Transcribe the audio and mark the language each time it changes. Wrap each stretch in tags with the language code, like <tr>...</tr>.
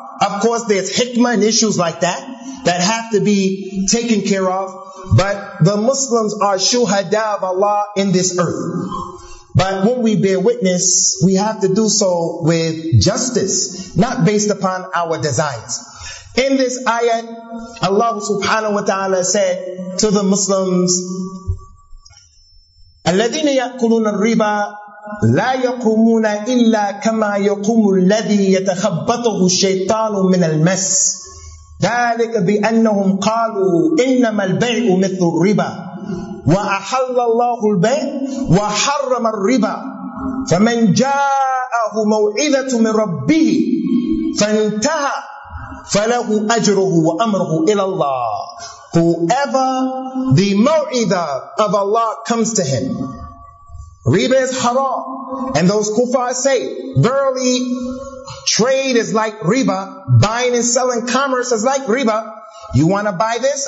<en>Of course, there's hikmah and issues like that that have to be taken care of. But the Muslims are shuhada of Allah in this earth. But when we bear witness, we have to do so with justice, not based upon our desires. In this ayat, Allah subhanahu wa ta'ala said to the Muslims,</en> <ar>الَّذِينَ يَأْكُلُونَ الرِّبَى لَا يَقُومُونَ إِلَّا كَمَا يَقُومُ الَّذِي يَتَخَبَّطُهُ الشَّيْطَانُ مِنَ الْمَسِ ذَلِكَ بِأَنَّهُمْ قَالُوا إِنَّمَا الْبَيْعُ مِثْلُ الرِّبَى وَأَحَلَّ اللَّهُ الْبَيْعَ وَحَرَّمَ الرِّبَى فَمَنْ جَاءَهُ مَوْعِظَةٌ مِنْ رَبِّهِ فَانْتَهَى فَلَهُ أَجْرُهُ وَأَمْرُهُ إِلَى اللَّهِ.</ar> <en>Whoever the maw'idah of Allah comes to him, riba is haram. And those kuffar say, verily, trade is like riba, buying and selling commerce is like riba. You want to buy this?</en>